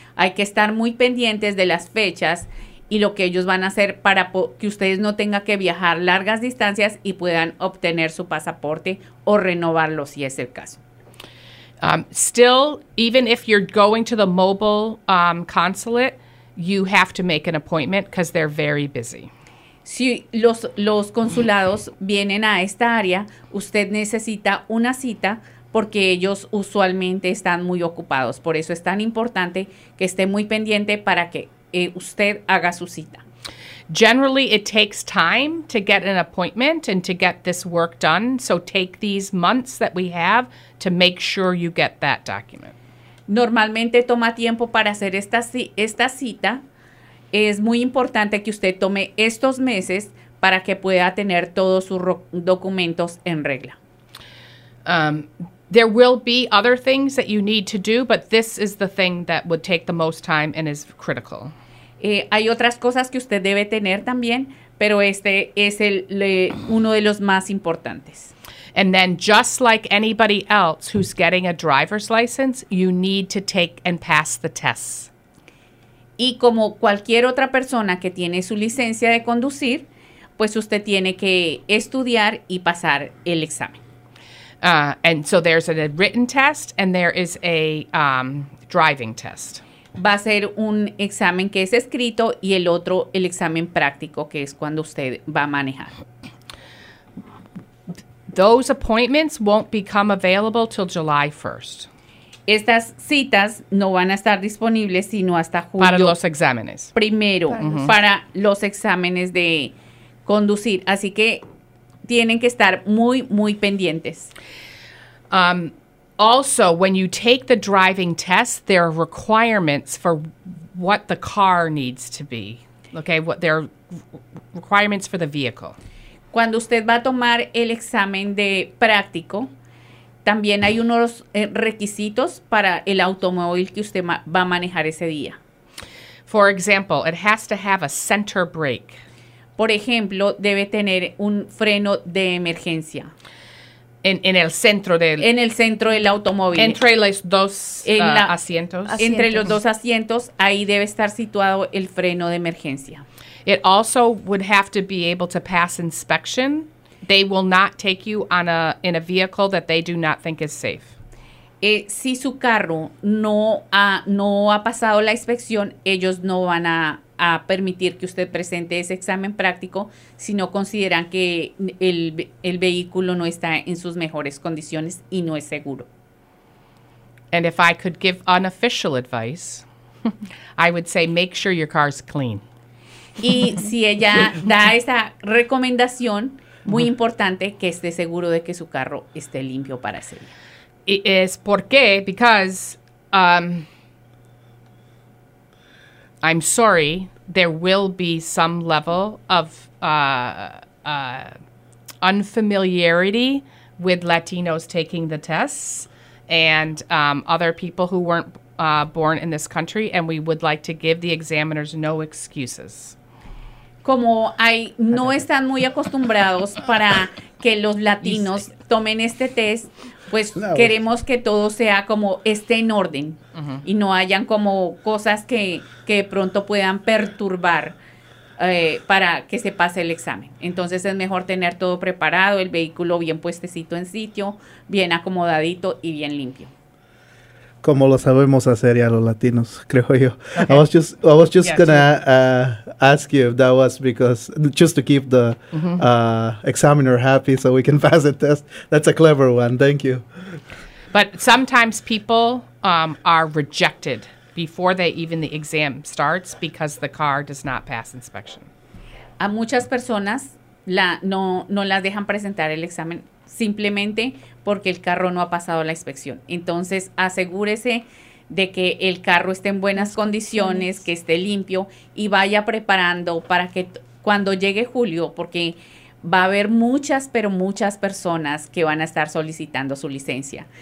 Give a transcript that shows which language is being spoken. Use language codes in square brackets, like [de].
[es] Hay que estar muy pendientes de las fechas y lo que ellos van a hacer para que ustedes no tengan que viajar largas distancias y puedan obtener su pasaporte o renovarlo si es el caso. [en] Still, even if you're going to the mobile consulate, you have to make an appointment because they're very busy. [es] Si los consulados vienen a esta área, usted necesita una cita porque ellos usualmente están muy ocupados. Por eso es tan importante que esté muy pendiente para que usted haga su cita. [en] Generally, it takes time to get an appointment and to get this work done. So take these months that we have to make sure you get that document. [es] Normalmente toma tiempo para hacer esta cita. Es muy importante que usted tome estos meses para que pueda tener todos sus documentos en regla. [en] There will be other things that you need to do, but this is the thing that would take the most time and is critical. [es] Hay otras cosas que usted debe tener también, pero este es uno de los más importantes. [en] And then just like anybody else who's getting a driver's license, you need to take and pass the tests. [es] Y como cualquier otra persona que tiene su licencia de conducir, pues usted tiene que estudiar y pasar el examen. [en] And so there's a written test and there is a driving test. [es] Va a ser un examen que es escrito y el otro el examen práctico, que es cuando usted va a manejar. [en] Those appointments won't become available till July 1st. [es] Estas citas no van a estar disponibles sino hasta julio. Para los exámenes. Primero, para los exámenes de conducir. Así que tienen que estar muy, muy pendientes. [en] Also, when you take the driving test, there are requirements for what the car needs to be. Okay, there are requirements for the vehicle. [es] Cuando usted va a tomar el examen de práctico, también hay unos requisitos para el automóvil que usted va a manejar ese día. [en] For example, it has to have a center brake. [es] Por ejemplo, debe tener un freno de emergencia. En el centro del... En el centro del automóvil. Entre los dos asientos. Entre los dos asientos, ahí debe estar situado el freno de emergencia. [en] It also would have to be able to pass inspection. They will not take you in a vehicle that they do not think is safe. [es] Si su carro no ha pasado la inspección, ellos no van a permitir que usted presente ese examen práctico si no consideran que el vehículo no está en sus mejores condiciones y no es seguro. [en] And if I could give unofficial advice, I would say make sure your car is clean. [es] Y si ella da esa recomendación, muy importante que esté seguro de que su carro esté limpio para hacerlo. Es porque, [en] because I'm sorry, there will be some level of unfamiliarity with Latinos taking the tests and other people who weren't born in this country, and we would like to give the examiners no excuses. [es] Como hay, no están muy acostumbrados para que los latinos tomen este test, pues queremos que todo sea como esté en orden y no hayan como cosas que pronto puedan perturbar para que se pase el examen. Entonces es mejor tener todo preparado, el vehículo bien puestecito en sitio, bien acomodadito y bien limpio. Como lo sabemos hacer ya los latinos, creo yo. Okay. [en] I was just gonna ask you if that was because just to keep the examiner happy so we can pass the test. That's a clever one. Thank you. But sometimes people are rejected before they even the exam starts because the car does not pass inspection. [es] A muchas personas no las dejan presentar el examen simplemente porque el carro no ha pasado la inspección. Entonces, asegúrese de que el carro esté en buenas condiciones, que esté limpio y vaya preparando para que cuando llegue julio, porque va a haber muchas, pero muchas personas que van a estar solicitando su licencia.